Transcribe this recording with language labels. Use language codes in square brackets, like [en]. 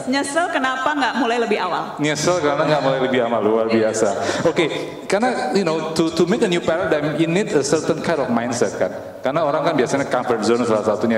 [id] Nyesel kenapa enggak mulai lebih awal? Nyesel karena enggak mulai lebih awal, luar biasa. Okay. Karena [en] you know, to make a new paradigm, you need a certain kind of mindset kan. [id] Karena orang kan biasanya [en] comfort zone [id] salah satunya.